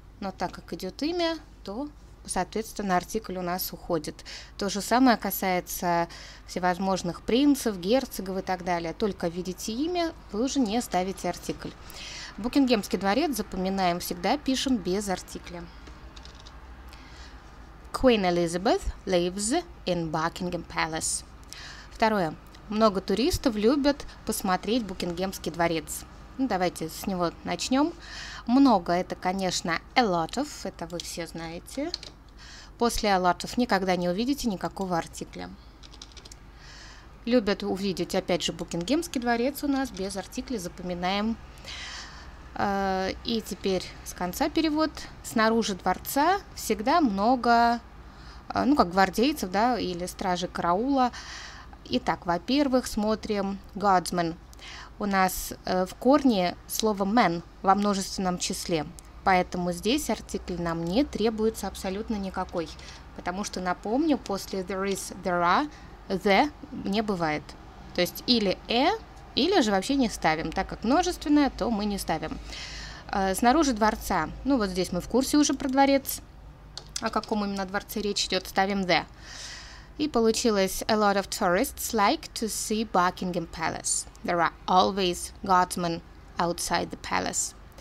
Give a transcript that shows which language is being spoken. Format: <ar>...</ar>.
<ru>Но так как идет имя, то, соответственно, артикль у нас уходит. То же самое касается всевозможных принцев, герцогов и так далее. Только видите имя, вы уже не ставите артикль. Букингемский дворец, запоминаем, всегда пишем без артикля.</ru> <en>Queen Elizabeth lives in Buckingham Palace.</en> <ru>Второе. Много туристов любят посмотреть Букингемский дворец. Ну, давайте с него начнем. Много – это, конечно, a lot of, это вы все знаете. После a lot of никогда не увидите никакого артикля. Любят увидеть, опять же, Букингемский дворец у нас без артикля, запоминаем. И теперь с конца перевод. Снаружи дворца всегда много, ну, как гвардейцев, да, или стражи караула. Итак, во-первых, смотрим guardsmen. У нас в корне слово man во множественном числе, поэтому здесь артикль нам не требуется абсолютно никакой, потому что, напомню, после there is, there are, the не бывает. То есть или a, или же вообще не ставим, так как множественное, то мы не ставим. Снаружи дворца, ну вот здесь мы в курсе уже про дворец, о каком именно дворце речь идет, ставим the. И получилось</ru> <en>a lot of tourists like to see Buckingham Palace. There are always guardsmen outside the palace.</en>